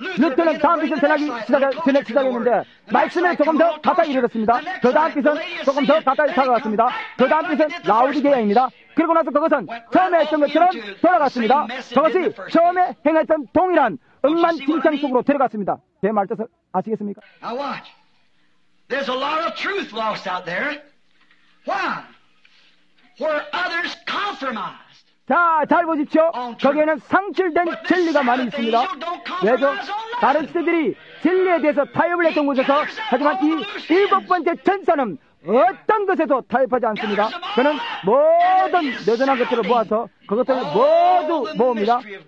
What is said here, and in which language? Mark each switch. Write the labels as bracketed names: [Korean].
[Korean] 루터는 다음 빛을 전하기 시작했는데 말씀에 조금 더 가까이 이르렀습니다. 그 다음 빛은 조금 더 가까이 다가왔습니다. 그 다음 빛은 라우디 계야입니다. 그리고 나서 그것은 처음에 했던 것처럼 돌아갔습니다. 그것이 처음에 행했던 동일한 엉망진창 속으로 들어갔습니다. 제 말 뜻을 아시겠습니까? [English] Now watch. There's a lot of truth lost out there. Why? Where others compromised. [Korean] 자, 잘 보십시오. 거기에는 상실된 진리가 많이 있습니다. 왜죠? 다른 시대들이 진리에 대해서 타협을 했던 곳에서 하지만 이 일곱 번째 천사는 어떤 것에도 타협하지 않습니다. 그는 모든 여전한 것들을 모아서 그것들을 모두 모읍니다.